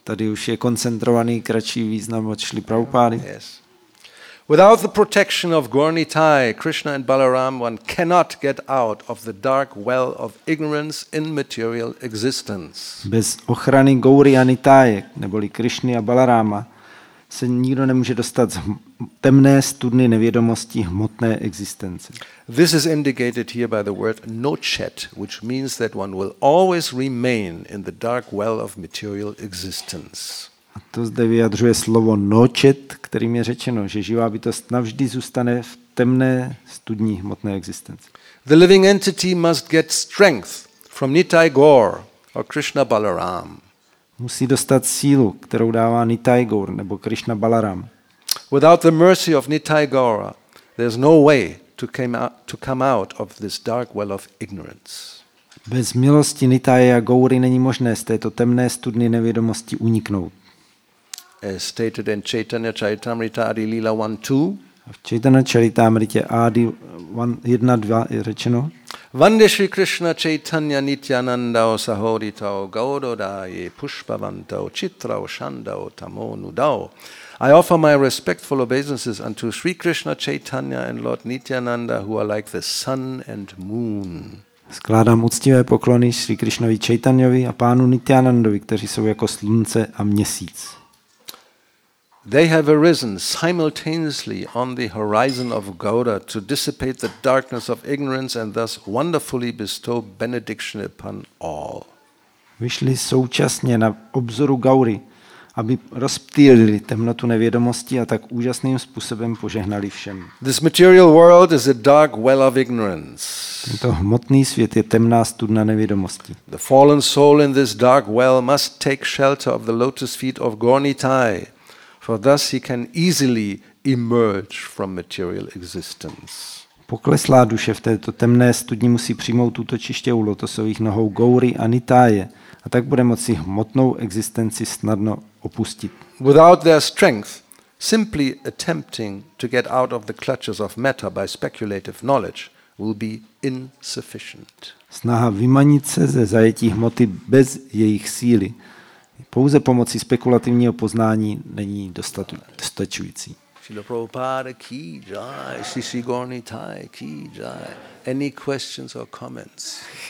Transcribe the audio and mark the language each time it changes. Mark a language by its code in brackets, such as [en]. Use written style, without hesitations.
[cs] tady už je koncentrovaný kratší význam od Šrily Prabhupády. [en] Without the protection of Gaur-Nitai, Krishna and Balaram, one cannot get out of the dark well of ignorance in material existence. [cs] Bez ochrany Gauri a Nitai, neboli Krishny a Balarama, se nikdo nemůže dostat z temné studny nevědomosti hmotné existence. [en] This is indicated here by the word nochet, which means that one will always remain in the dark well of material existence. [cs] A to zde vyjadřuje slovo nočet, kterým je řečeno, že živá bytost navždy zůstane v temné studni hmotné existence. [en] The living entity must get strength from Nitai Gaur or Krishna Balaram. [cs] Musí dostat sílu, kterou dává Nitai Gaur nebo Krishna Balaram. [en] Without the mercy of Nitai Gaur, there's no way to come out of this dark well of ignorance. [cs] Bez milosti Nitai a Gauri není možné z této temné studny nevědomosti uniknout. [en] As stated in Chaitanya Charitamrita Adi Lila 1.2. [cs] V Chaitanya Charitamrita Adi 1.2 je řečeno. [sa] Vande Shri Krishna Chaitanya Nityanandao Sahoditao Gaurodaye Pushpavantao Chitrao Shandao Tamonudao. [en] I offer my respectful obeisances unto Shri Krishna Chaitanya and Lord Nityananda, who are like the sun and moon. [cs] Skládám úctivé poklony Shri Krishnovi Chaitanyovi a pánu Nityanandovi, kteří jsou jako slunce a měsíc. [en] They have arisen simultaneously on the horizon of Gaura to dissipate the darkness of ignorance and thus wonderfully bestow benediction upon all. [cs] Vyšli současně na obzoru Gaury, aby rozptýlili temnotu nevědomosti a tak úžasným způsobem požehnali všem. [en] This material world is a dark well of ignorance. [cs] Tento hmotný svět je temná studna nevědomosti. [en] The fallen soul in this dark well must take shelter of the lotus feet of Gaur Nitai, for thus he can easily emerge from material existence. [cs] Pokleslá duše v této temné studni musí přijmout útočiště u lotosových nohou Gaury a Nitaje, a tak bude moci hmotnou existenci snadno opustit. [en] Without their strength, simply attempting to get out of the clutches of matter by speculative knowledge will be insufficient. [cs] Snaha vymanit se ze zajetí hmoty bez jejich síly, pouze pomocí spekulativního poznání, není dostačující. [hi] Srila Prabhupada ki jai, Srisi Gaur Nitai ki jai. [en] Any questions or comments?